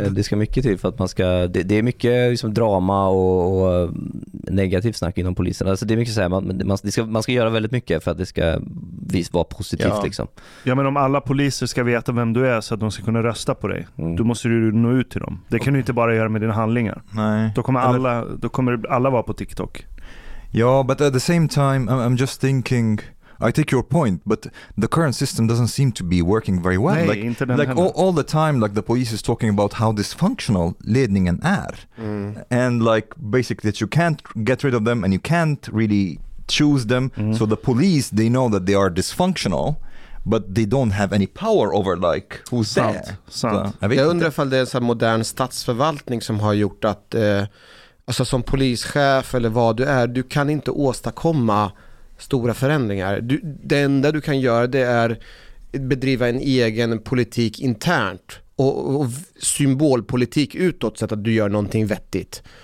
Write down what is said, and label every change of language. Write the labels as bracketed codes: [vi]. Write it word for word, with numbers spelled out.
[sv] Det, det ska mycket till för att man ska... Det, det är mycket liksom drama och, och negativt snack inom polisen. Alltså det är mycket så här, man, man, ska, man ska göra väldigt mycket för att det ska vis, vara positivt. Ja. Liksom. Ja, men om alla poliser ska veta vem du är så att de ska kunna rösta på dig, mm. då måste du nå ut till dem. Det kan du inte bara göra med dina handlingar. Nej. Då kommer alla, då kommer alla vara på TikTok. [en] Ja, but at the same time I'm, I'm just thinking I take your point, but the current system doesn't seem to be working very well. like [sv] inte [en] like all, all the time like the police is talking about how dysfunctional [sv] ledningen är. Mm. [en] And like basically that you can't get rid of them and you can't really choose them. Mm. So the police, they know that they are dysfunctional. But they don't have any power over like who's [sv] sant, [en] there. [sv] Sant. Jag, jag undrar ifall det är en sån modern statsförvaltning som har gjort att eh, alltså som polischef eller vad du är, du kan inte åstadkomma stora förändringar. Du, det enda du kan göra det är bedriva en egen politik internt och, och symbolpolitik utåt så att du gör någonting vettigt.